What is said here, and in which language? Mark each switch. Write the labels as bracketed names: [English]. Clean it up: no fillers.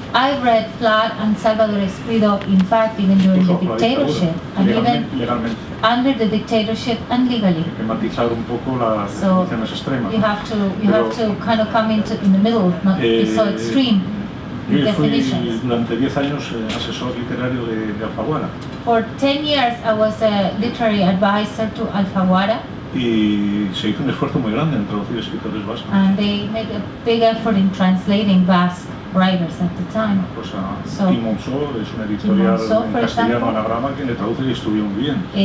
[English] I've read Flyer and Salvador Espriu, in fact, even during the dictatorship. And [Spanish] legalmente. [English] Under the dictatorship and legally. [Spanish] Hay que matizar un poco las condiciones extremas. [English] You have to kind of come into in the middle, not be so extreme. [Spanish] Yo fui durante 10 años asesor literario de Alfaguara. [English] For 10 years I was a literary advisor to Alfaguara. [Spanish] Y se hizo un esfuerzo muy grande en traducir escritores vascos. [English] And they made a big effort in translating Basque writers at the time. [Spanish] So, Timonso es una editorial en castellano, Anagrama, que le traduce y estudió muy bien.